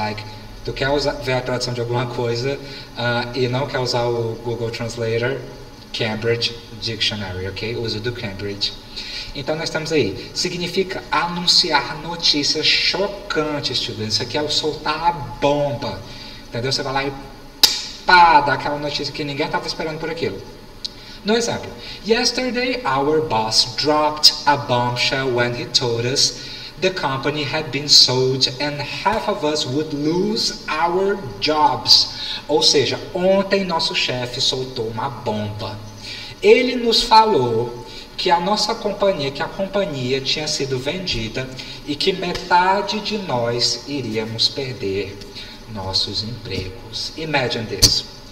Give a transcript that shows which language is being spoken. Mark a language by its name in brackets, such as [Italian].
[Portuguese] Like, tu quer ver a tradução de alguma coisa e não quer usar o Google Translator, Cambridge Dictionary, ok? Uso do Cambridge. Então, nós estamos aí. Significa anunciar notícias chocantes, students. Isso aqui é o soltar a bomba, entendeu? Você vai lá e pá, dá aquela notícia que ninguém estava esperando por aquilo. No exemplo, [English] yesterday our boss dropped a bombshell when he told us the company had been sold and half of us would lose our jobs. [Portuguese] Ou seja, ontem nosso chefe soltou uma bomba. Ele nos falou que a companhia tinha sido vendida e que metade de nós iríamos perder nossos empregos. [English] Imagine this.